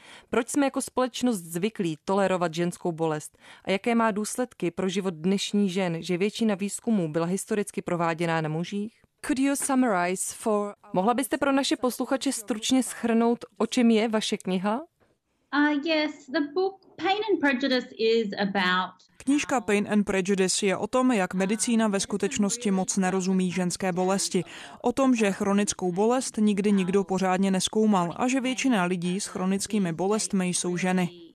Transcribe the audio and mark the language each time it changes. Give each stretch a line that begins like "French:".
Czech: Proč jsme jako společnost zvyklí tolerovat ženskou bolest a jaké má důsledky pro život dnešní žen, že většina výzkumů byla historicky prováděná na mužích?
English: Could you summarize for...
Czech: Mohla byste pro naše posluchače stručně shrnout, o čem je vaše kniha?
English: Yes, the book Pain and Prejudice is about...
Czech: Knížka Pain and Prejudice je o tom, jak medicína ve skutečnosti moc nerozumí ženské bolesti. O tom, že chronickou bolest nikdy nikdo pořádně neskoumal a že většina lidí s chronickými bolestmi jsou ženy.